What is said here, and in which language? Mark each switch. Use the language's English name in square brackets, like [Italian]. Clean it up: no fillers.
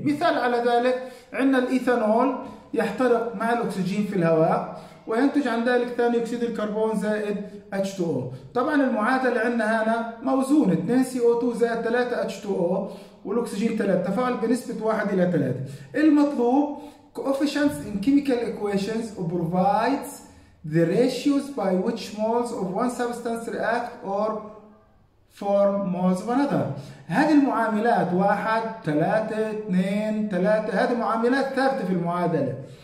[Arabic] مثال على ذلك عندنا الايثانول يحترق مع الاكسجين في الهواء وينتج عن ذلك ثاني اكسيد الكربون زائد H2O. طبعا المعادلة عندنا هنا موزونة، 2 CO2 زائد 3 H2O والاكسجين 3، تفاعل بنسبة 1:3. المطلوب [English] coefficients in chemical equations provides the ratios by which moles of one substance react or form moles of another. [Arabic] هذه المعاملات 1 3 2 3، هذه معاملات ثابتة في المعادلة.